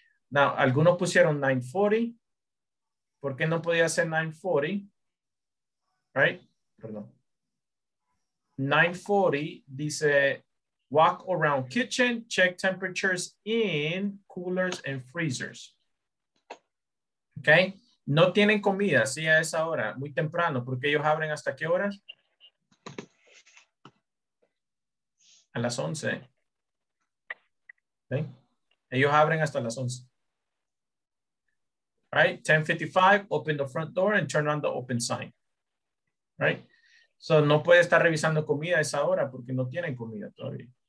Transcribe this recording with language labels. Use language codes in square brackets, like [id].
[es] Now, algunos pusieron 9:40. ¿Por qué no podía ser 9:40? Right? Perdón. [en] 9:40 dice, walk around kitchen, check temperatures in coolers and freezers. Okay? [es] No tienen comida, sí, a esa hora, muy temprano, porque ellos abren hasta qué hora? A las 11. Okay? Ellos abren hasta las 11. [en] All right? 10:55, open the front door and turn on the open sign. All right? [es] So, no puede estar revisando comida a esa hora porque no tienen comida todavía.